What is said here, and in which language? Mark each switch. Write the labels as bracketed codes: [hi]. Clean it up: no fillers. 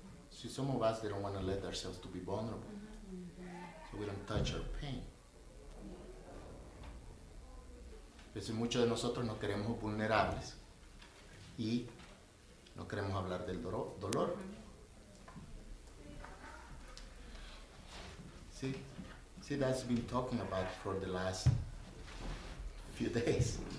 [en] See, some of us, they don't want to let ourselves to be vulnerable, so we don't touch our pain. [es] Pero si muchos de nosotros no queremos vulnerables y no queremos hablar del dolor. [en] See, that's been talking about for the last few days.